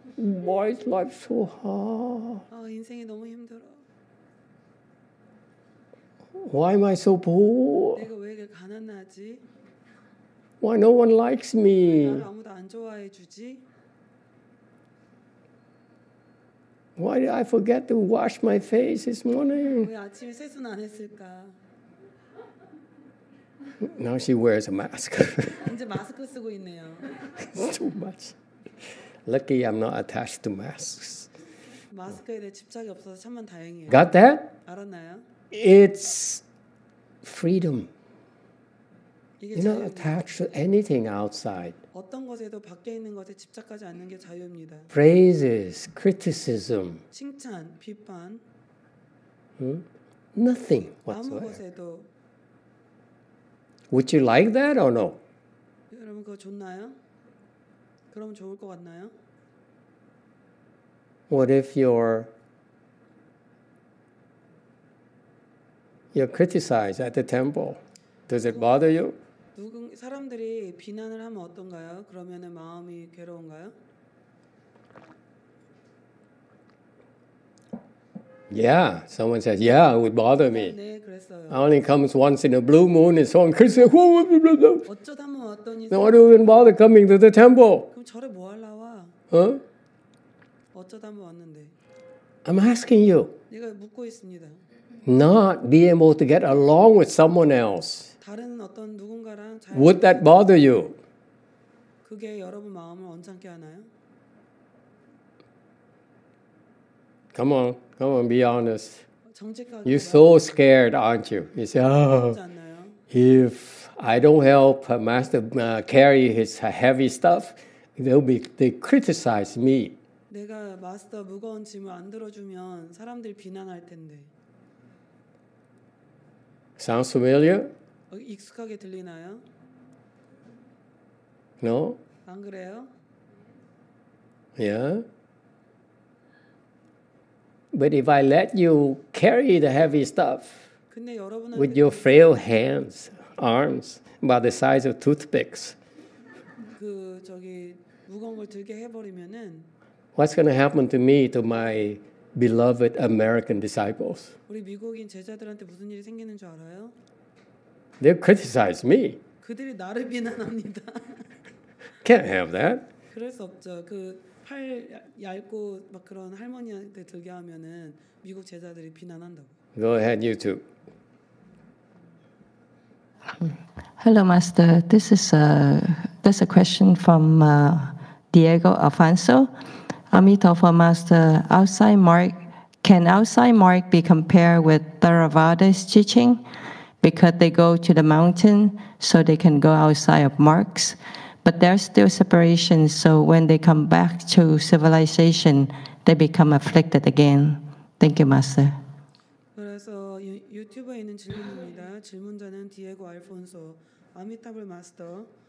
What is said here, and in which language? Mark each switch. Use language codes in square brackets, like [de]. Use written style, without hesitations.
[en] Why is life so hard? [ko] 아, 인생이 너무 힘들어. [en] Why am I so poor? [ko] 내가 왜 이렇게 가난하지? [en] Why no one likes me? [ko] 나를 아무도 안 좋아해 주지? [en] Why did I forget to wash my face this morning? [ko] 왜 아침에 세수는 안 했을까? [en] Now she wears a mask. [ko] 이제 마스크 쓰고 있네요. [en] Too much. Lucky I'm not attached to masks. [ko] 마스크에 대해 집착이 없어서 참만 다행이에요. [en] Got that? [ko] 알았나요? [en] It's freedom. You're not attached to anything outside. [ko] 어떤 것에도 밖에 있는 것에 집착하지 않는 게 자유입니다. [en] Praises, criticism. [ko] 칭찬, 비판. [en] Nothing whatsoever. [ko] 아무 것에도. [en] Would you like that or no? [ko] 여러분 그거 좋나요? 그럼 좋을 것 같나요? [en] What if you're criticized at the temple? Does it bother you? [ko] 누군 사람들이 비난을 하면 어떤가요? 그러면은 마음이 괴로운가요? [en] Yeah, someone says, yeah, it would bother me. [ko] 네, 그랬어요. [en] I only comes once in a blue moon and so on. Chris says, whoa, blah, blah, blah. [ko] 어쩌다 한번 왔더니 [en] Now, why do you even bother coming to the temple? [ko] 그럼 절에 뭐 하려고 와? 어? 어쩌다 한번 왔는데? [en] I'm asking you. [ko] 내가 묻고 있습니다. [en] Not be able to get along with someone else. [ko] 다른 어떤 누군가랑 잘 [en] Would that bother you? [ko] 그게 여러분 마음을 언짢게 하나요? [en] Come on, come on, be honest. [ko] 정직하게 [en] You're so scared, aren't you? You say, oh, if I don't help Master carry his heavy stuff, they criticize me. [ko] 내가 마스터 무거운 짐을 안 들어주면 사람들 비난할 텐데. [en] Sounds familiar? [ko] 익숙하게 들리나요? [en] No? [ko] 안 그래요? [en] Yeah? But if I let you carry the heavy stuff with your frail hands, arms, about the size of toothpicks, [ko] 그 저기 무거운 걸 들게 해버리면은 [en] what's going to happen to me, to my beloved American disciples? [ko] 우리 미국인 제자들한테 무슨 일이 생기는 줄 알아요? [en] They'll criticize me. [ko] 그들이 나를 비난합니다. [en] Can't have that. [ko] 그럴 수 없죠. 그 팔 얇고 막 그런 할머니한테 들게 하면은 미국 제자들이 비난한다고. [en] Go ahead, you two. Hello, Master. This is a question from Diego Alfonso. Amitofo, Master. Can outside mark be compared with Theravada's teaching? Because they go to the mountain, so they can go outside of marks. But there's still separation, so when they come back to civilization, they become afflicted again. Thank you, Master. [ko] 그래서 유튜브에 있는 질문입니다. 질문자는 디에고 알폰소, 아미타불 마스터.